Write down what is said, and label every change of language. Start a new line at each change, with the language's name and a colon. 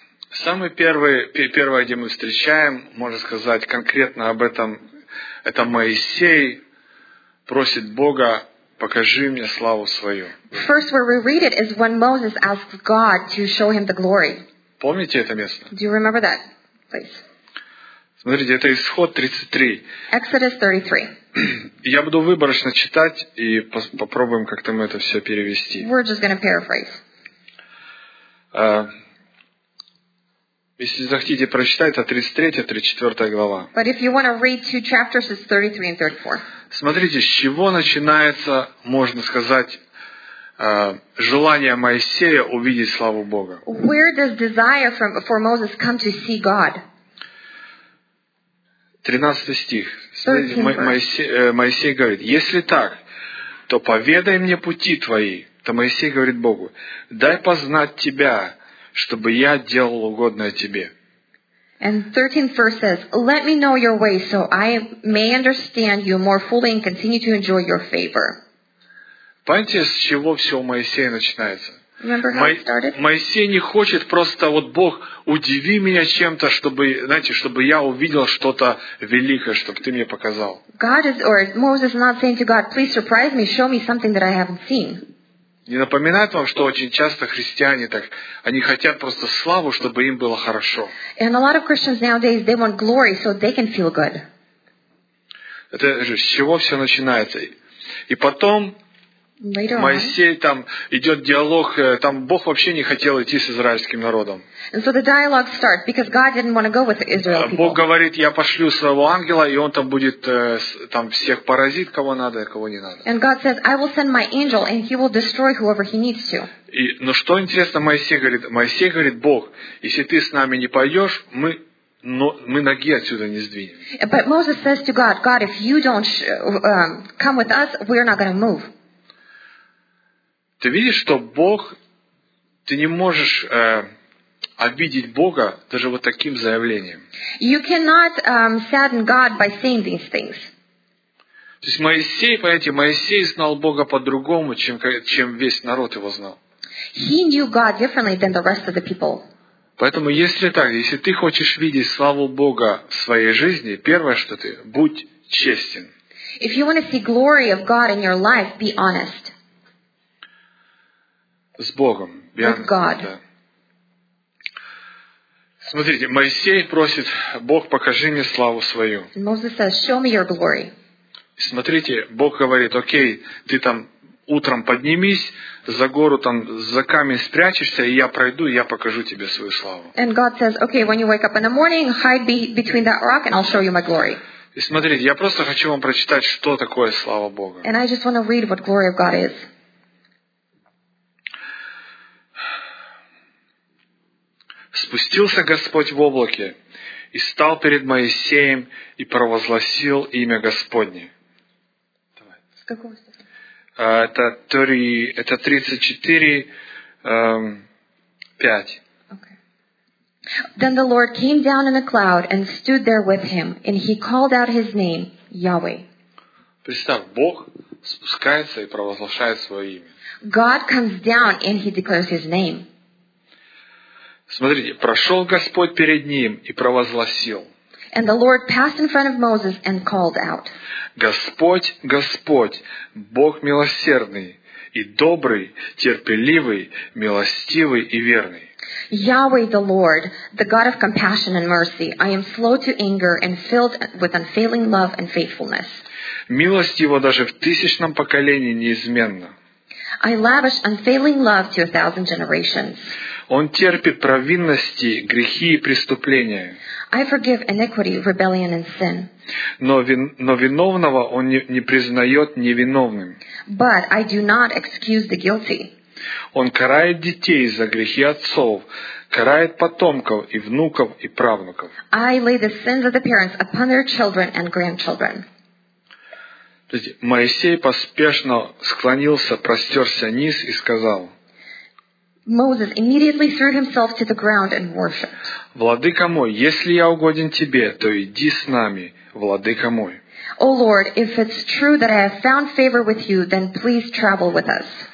Russian: Самое первое, где мы встречаем, можно сказать конкретно об этом, это Моисей просит Бога, покажи мне славу свою.
English: First, where we read it is when Moses asks God to show him the glory.
Russian: Помните это место?
English: Do you remember that place?
Russian: Смотрите, это Исход 33.
English: Exodus 33.
Russian: Я буду выборочно читать и попробуем как-то мы это все перевести.
English: We're just going to paraphrase.
Russian: Если захотите прочитать, это 33-34 глава.
English: But if you want to read two chapters, it's 33 and 34.
Russian: Смотрите, с чего начинается, можно сказать, желание Моисея увидеть славу Бога.
English: Where does desire for Moses come to see God?
Russian: 13 стих. Моисей говорит: «Если так, то поведай мне пути твои». То Моисей говорит Богу: «Дай познать тебя, чтобы я делал угодное тебе».
English: And 13th verse says, "Let me know your way, so I may understand you more fully and continue to enjoy your favor."
Russian: Понимаете, с чего все у Моисея начинается?
English: Remember how it started?
Russian: Моисей не хочет просто вот: «Бог, удиви меня чем-то, чтобы, знаете, чтобы я увидел что-то великое, чтобы ты мне показал».
English: God is, or Moses is not saying to God, "Please surprise me, show me something that I haven't seen."
Russian: Не напоминает вам, что очень часто христиане так, они хотят просто славу, чтобы им было хорошо.
English: And a lot of Christians nowadays, they want glory so they can feel good.
Russian: Это же с чего все начинается. И потом
English: later
Russian: Моисей
English: on,
Russian: там идет диалог, там Бог вообще не хотел идти с израильским народом.
English: And so the dialogue starts because God didn't want to go with the Israel people.
Russian: Бог говорит: «Я пошлю своего ангела, и он там будет там всех поразит, кого надо, кого не надо».
English: And God says, "I will send my angel, and he will destroy whoever he needs to."
Russian: И, но что интересно, Моисей говорит: «Бог, если ты с нами не пойдешь, мы ноги отсюда не сдвинем».
English: But Moses says to God, "God, if you don't come with us, we are not going to move."
Russian: Ты видишь, что Бог, ты не можешь обидеть Бога даже вот таким заявлением.
English: You cannot sadden God by saying these things.
Russian: То есть Моисей, понимаете, Моисей знал Бога по-другому, чем весь народ его знал.
English: He knew God differently than the rest of the people.
Russian: Поэтому если так, если ты хочешь видеть славу Бога в своей жизни, первое, что ты, будь честен.
English: If you want to see glory of God in your life, be honest.
Russian: С Богом.
English: With God.
Russian: Да. Смотрите, Моисей просит: «Бог, покажи мне славу свою».
English: Moses says, "Show me your glory."
Russian: Смотрите, Бог говорит: «Окей, ты там утром поднимись, за гору там, за камень спрячешься, и я пройду, и я покажу тебе свою славу».
English: And God says, "Okay, when you wake up in the morning, hide between that rock, and I'll show you my glory."
Russian: И смотрите, я просто хочу вам прочитать, что такое слава Бога.
English: And I just want to read what glory of God is.
Russian: «Спустился Господь в облаке и стал перед Моисеем и провозгласил имя Господне». С какого стиха? Это 34:5.
English: Okay. Then the Lord came down in a cloud and stood there with him, and he called out his name, Yahweh.
Russian: Представь, Бог спускается и провозглашает свое имя.
English: God comes down and he declares his name.
Russian: Смотрите, прошел Господь перед ним и провозгласил.
English: And the Lord passed in front of Moses and called out.
Russian: Господь, Господь, Бог милосердный и добрый, терпеливый, милостивый и верный.
English: Yahweh the Lord, the God of compassion and mercy, I am slow to anger and filled with unfailing love and faithfulness.
Russian: Милость его даже в тысячном поколении неизменна.
English: I lavish unfailing love to a thousand generations.
Russian: Он терпит провинности, грехи и преступления.
English: I forgive iniquity, rebellion and sin.
Russian: Но виновного он не признает невиновным.
English: But I do not excuse the guilty.
Russian: Он карает детей за грехи отцов, карает потомков и внуков и правнуков.
English: I lay the sins of the parents upon their children and grandchildren.
Russian: Моисей поспешно склонился, простерся низ и сказал:
English: Moses immediately threw himself to the ground and worshiped.
Russian: Владыка мой, если я угоден тебе, то иди с нами, владыка мой.
English: O Lord, if it's true that I have found favor with you, then please travel with us.